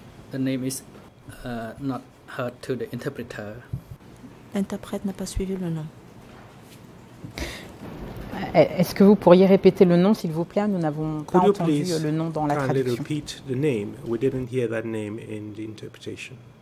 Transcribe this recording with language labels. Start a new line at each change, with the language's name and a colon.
English: The name is not heard to the interpreter.
French: L'interprète n'a pas suivi le nom. Est-ce que vous pourriez répéter le nom, s'il vous plaît? Nous n'avons
English: Could
French: pas entendu le nom dans la traduction.
English: Could you repeat the name? We didn't hear that name in the interpretation.